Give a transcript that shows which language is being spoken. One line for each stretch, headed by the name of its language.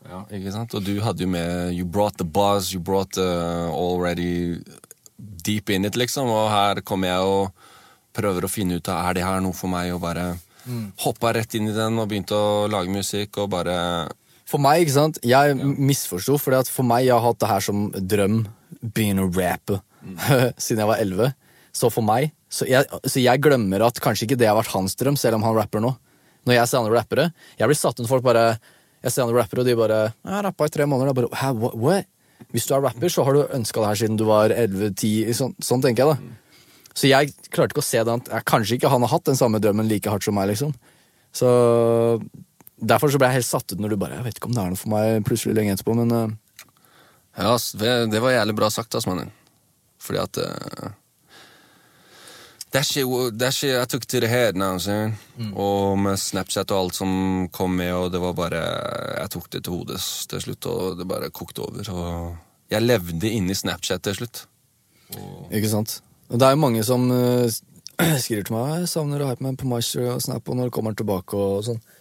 Norwegian: Ja, ikke sant? Og du hadde jo med,
English: you brought the buzz, you brought the already deep in it,
Norwegian: liksom. Og her kom jeg og prøver å finne ut, er det her noe for meg å bare... Mm. Hoppet rett inn I den og begynte å lage musikk og bare... For meg, ikke sant? Jeg misforstod, fordi at for meg jeg har hatt det her som drøm
English: being a rapper
Norwegian: siden jeg var 11. Så for meg så jeg glemmer at kanskje ikke det har vært hans drøm selv om han rapper nå. Når jeg ser andre rappere, jeg blir satt under folk bare jeg ser andre rappere og de bare jeg har rappet I 3 måneder og bare, what? Hvis du rapper så har du ønsket det her siden du var 11-10, sånn tenker jeg da. Så jeg klarte ikke å se det, kanskje ikke han har hatt den samme drømmen like hardt som meg, liksom. Så derfor så ble jeg helt satt ut når du bare, jeg vet ikke om det noe for meg plutselig lenge etterpå, men... Ja, det var jævlig bra sagt, ass, mannen. Fordi at...
English: That shit, I took to the head now,
Norwegian: sier jeg. Mm. Og med Snapchat og alt som kom med, og det var bare... Jeg tok det til hodet til slutt, og det bare kokte over, og... Jeg levde inn I Snapchat til slutt. Og... Ikke sant? Og det jo mange som skriver til meg, jeg savner å hype meg på Mars og Snap, og når det kommer tilbake og sånn.